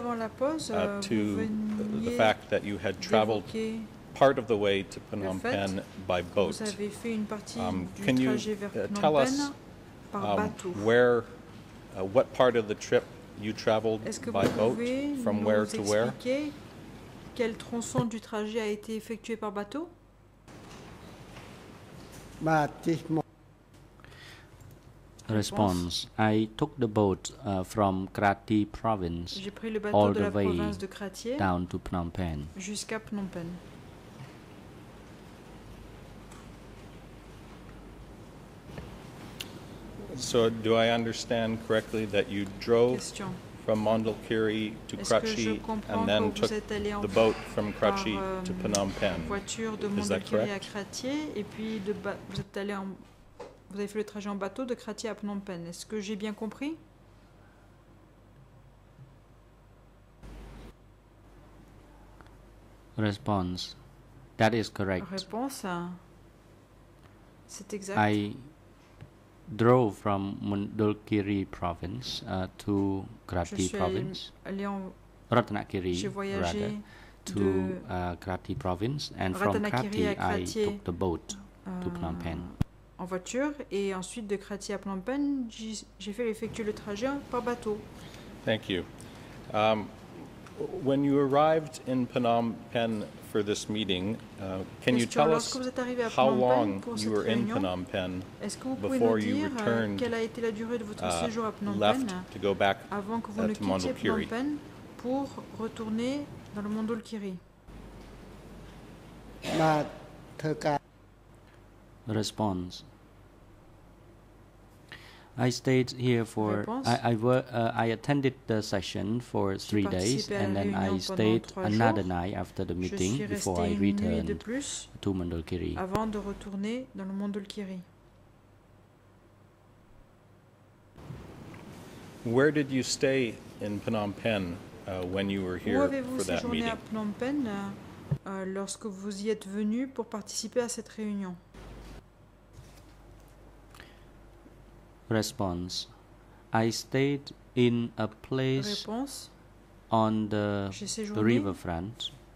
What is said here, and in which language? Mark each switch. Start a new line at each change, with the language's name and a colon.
English: the fact that you had traveled part of the way to Phnom Penh by boat.
French: Vous avez fait une partie du
English: can you tell us where, what part of the trip you traveled by boat, from where to where?
French: Quel tronçon du trajet a été effectué par bateau?
English: Response. I took the boat from Krathi province all the way down to Phnom Penh.
French: Jusqu'à Phnom Penh.
English: So do I understand correctly that you drove from Mandalkiri to Krachi and then took the boat from Krachi to Phnom Penh?
French: Voiture de Mandalkiri à Krathi et puis de vous êtes allé en vous avez fait le trajet en bateau de Krathi à Phnom Penh. Est-ce que j'ai bien compris?
English: Response. That is correct.
French: Réponse. C'est exact.
English: I drove from Mandalkiri province to Krathi province. Ratanakiri, rather, to Krathi province, and from Krathi, I took the boat to Phnom Penh.
French: En voiture, et ensuite de Krathi à Phnom Penh, j'ai fait effectuer le trajet par bateau.
English: Thank you. When you arrived in Phnom Penh for this meeting, can you tell us how long you were in Phnom Penh before you returned,
French: quelle a été la durée de votre séjour à Phnom Penh
English: to go back
French: avant que vous ne quittiez Mandalkiri. Phnom Penh pour retourner dans le Mandalkiri?
English: Response. I stayed here for I attended the session for 3 days and then I stayed another night after the meeting before I returned to Mandalkiri.
French: Avant de retourner dans le Mandalkiri.
English: Where did you stay in Phnom Penh when you were here for that meeting?
French: Où avez-vous séjourné à Phnom Penh lorsque vous y êtes venu pour participer à cette réunion?
English: Response. I stayed in a place
French: Réponse.
English: On the riverfront.